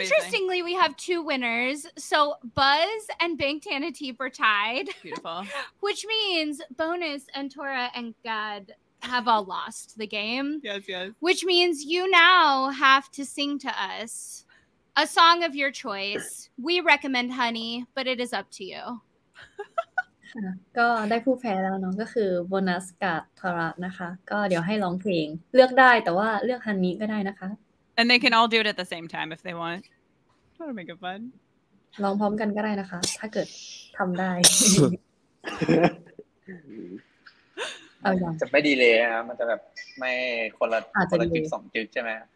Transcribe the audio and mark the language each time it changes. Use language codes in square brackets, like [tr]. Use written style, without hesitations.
[en] Interestingly, we have two winners. So Buzz and Bank Tanateep were tied. Beautiful. Which means Bonus and Tora and Gad have all lost the game. Yes, yes. Which means you now have to sing to us a song of your choice. We recommend Honey, but it is up to you. [th] ก็ได้ผู้แพ้แล้วเนาะก็คือโบนัสกับทอระนะคะก็เดี๋ยวให้ร้องเพลงเลือกได้แต่ว่าเลือกฮันนี่ก็ได้นะคะ [en] And they can all do it at the same time if they want That would make it fun [th] ร้องพร้อมกันก็ได้นะคะถ้าเกิดทำได้ เอาอย่าง จะไม่ดีเลยนะมันจะแบบไม่คนละจุดสองจุดใช่ไหม